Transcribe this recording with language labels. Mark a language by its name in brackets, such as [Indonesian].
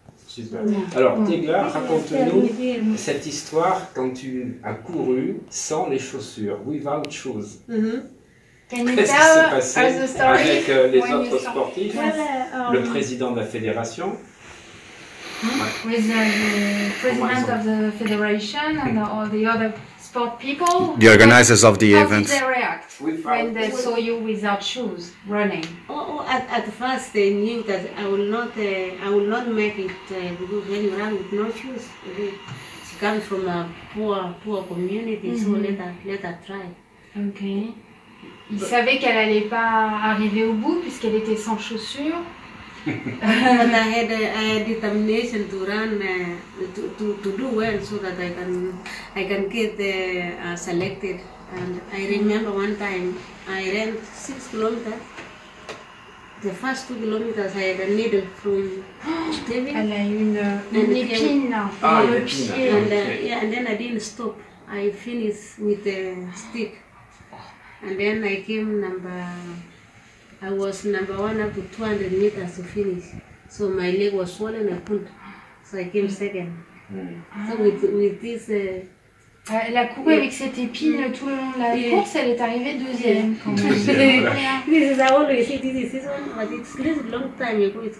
[French] Super. Alors, Tegla, raconte-nous cette histoire quand tu as couru sans les chaussures, [English] without shoes. [French] Qu'est-ce qui s'est passé avec les autres sportifs, le président de la fédération? [English] With the president of the federation and all the other sport people, the organizers of the event, how did they react? without, when they saw you without shoes running. At first they knew that I will not make it because when you run with no shoes, she comes from a poor community, mm-hmm. So let her try. Okay. [French] Ils savaient qu'elle allait pas arriver au bout puisqu'elle était sans chaussures. [English] And I had determination to run to do well so that I can get selected. And I remember one time I ran 6 kilometers. The first 2 kilometers I had a needle from [French] David. Elle a eu une épine là. Ah, une épine. [English] And then I didn't stop. I finished with a stick. And then I came number one up to 200 meters to finish. So my leg was swollen, I couldn't. So I came second. Mm. So with this... [French] Elle a couru avec cette épine tout le long de la course, elle est arrivée deuxième. [English] This is how long it is, this is one, but it's a little long time ago.